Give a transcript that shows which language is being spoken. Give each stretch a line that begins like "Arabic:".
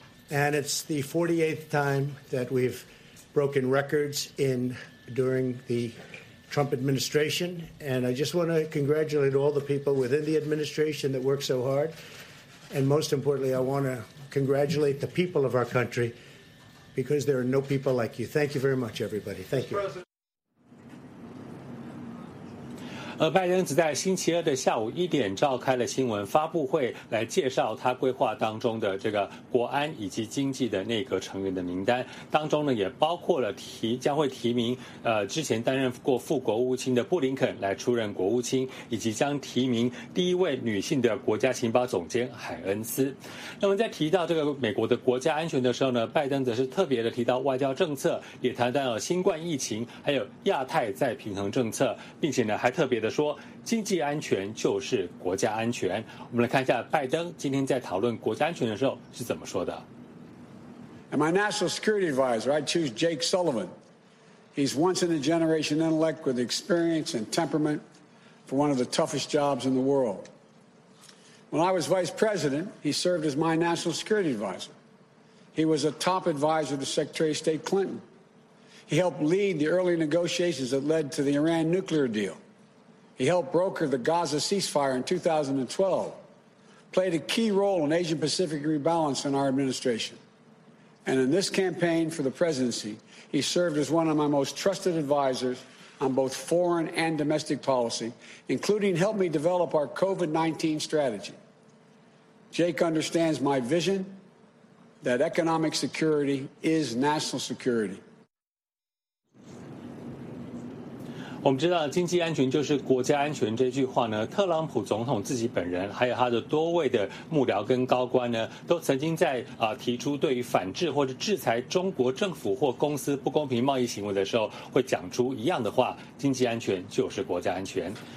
English: And it's the 48th time that we've broken records in during the Trump administration. And I just want to congratulate all the people within the administration that worked so hard. And most importantly, I want to congratulate the people of our country, because there are no people like you. Thank you very much, everybody. Thank you.
Chinese: 而拜登只在星期二的下午1点召开了新闻发布会，来介绍他规划当中的这个国安以及经济的内阁成员的名单，当中呢也包括了将会提名之前担任过副国务卿的布林肯来出任国务卿，以及将提名第一位女性的国家情报总监海恩斯。那么在提到这个美国的国家安全的时候呢，拜登则是特别的提到外交政策，也谈到了新冠疫情，还有亚太再平衡政策，并且呢还特别的说，经济安全就是国家安全。我们来看一下拜登今天在讨论国家安全的时候是怎么说的。
English: And my national security advisor, I choose Jake Sullivan. He's once in a generation intellect with experience and temperament for one of the toughest jobs in the world. When I was vice president, he served as my national security advisor. He was a top advisor to Secretary of State Clinton. He helped lead the early negotiations that led to the Iran nuclear deal. He helped broker the Gaza ceasefire in 2012, played a key role in Asia-Pacific rebalance in our administration. And in this campaign for the presidency, he served as one of my most trusted advisors on both foreign and domestic policy, including helped me develop our COVID-19 strategy. Jake understands my vision that economic security is national security.
Chinese: 我们知道经济安全就是国家安全这句话呢，特朗普总统自己本人还有他的多位的幕僚跟高官呢，都曾经在提出对于反制或者制裁中国政府或公司不公平贸易行为的时候，会讲出一样的话，经济安全就是国家安全。